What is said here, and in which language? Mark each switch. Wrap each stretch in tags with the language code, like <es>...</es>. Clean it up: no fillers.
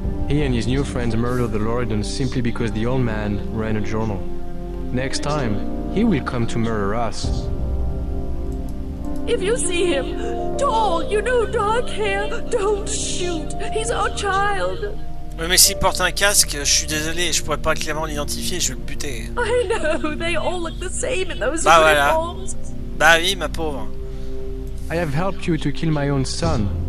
<en>He and his new friends murdered the Loredan simply because the old man ran a journal. Next time, he will come to murder us. If you see him, tall, you know, dark hair, don't shoot, he's our child.</en> <fr>Oui, mais s'il porte un casque, je suis désolé, je pourrais pas clairement l'identifier, je vais le buter.</fr> <en>I know, they all look the same in those uniforms.</en> <fr>Bah voilà. Bah oui, ma pauvre.</fr> <en>I have helped you to kill my own son.</en>